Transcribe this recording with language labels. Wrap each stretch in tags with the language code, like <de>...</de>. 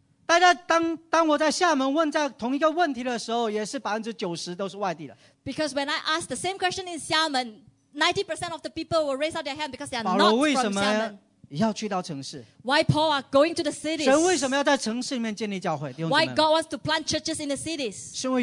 <zh>大家当我在厦门问在同一个问题的时候，也是90%都是外地的.</zh> <en>Because when I ask the same question in Xiamen, 90% of the people will raise out their hand because they are not from Xiamen.</en> <zh>要去到城市.</zh> <en>Why Paul are going to the cities?</en> <zh>神为什么要在城市里面建立教会, 弟兄姊妹们?</zh> <en>Why God wants to plant churches in the cities?</en>